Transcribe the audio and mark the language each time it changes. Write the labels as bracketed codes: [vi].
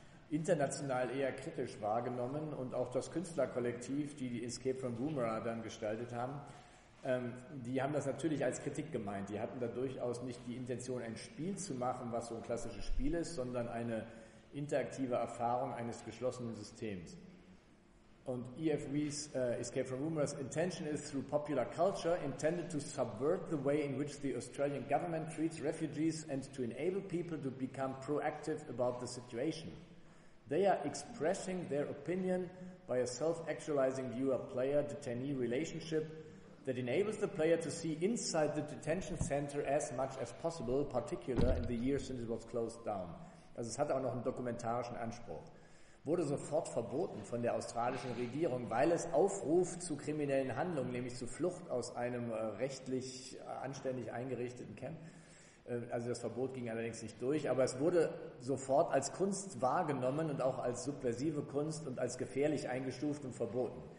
[de] International eher kritisch wahrgenommen und auch das Künstlerkollektiv, die die Escape from Woomera dann gestaltet haben, die haben das natürlich als Kritik gemeint. Die hatten da durchaus nicht die Intention, ein Spiel zu machen, was so ein klassisches Spiel ist, sondern eine interaktive Erfahrung eines geschlossenen Systems. [en] Und EFW's Escape from Woomera's intention is through popular culture intended to subvert the way in which the Australian government treats refugees and to enable people to become proactive about the situation. They are expressing their opinion by a self-actualizing viewer-player-detainee relationship that enables the player to see inside the detention center as much as possible, particularly in the years since it was closed down. [de] Also es hat auch noch einen dokumentarischen Anspruch. Wurde sofort verboten von der australischen Regierung, weil es aufruft zu kriminellen Handlungen, nämlich zu Flucht aus einem rechtlich anständig eingerichteten Camp. Also das Verbot ging allerdings nicht durch, aber es wurde sofort als Kunst wahrgenommen und auch als subversive Kunst und als gefährlich eingestuft und verboten.